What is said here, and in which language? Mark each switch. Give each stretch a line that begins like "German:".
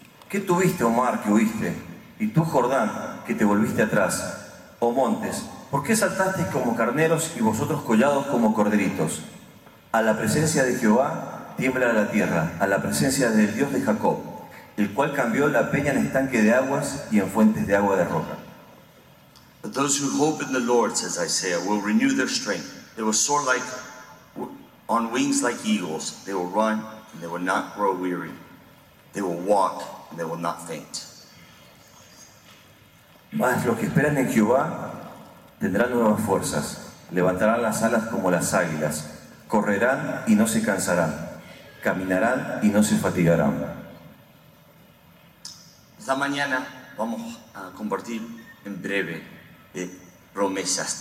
Spanish: ¿Qué tuviste, oh mar, que huiste? Y tú, Jordán, que te volviste atrás. Oh montes, ¿por qué saltasteis como carneros y vosotros collados como corderitos? A la presencia de Jehová tiembla la tierra, a la presencia del Dios de Jacob, el cual cambió la peña en estanque de aguas y en fuentes de agua de roca.
English: But those who hope in the Lord, says Isaiah, will renew their strength. They will soar like on wings like eagles. They will run and they will not grow weary. They will walk and they will not faint.
Spanish: Mas los que esperan en Jehová tendrán nuevas fuerzas, levantarán las alas como las águilas, correrán y no se cansarán, caminarán y no se fatigarán. Esta mañana vamos a compartir en breve de promesas.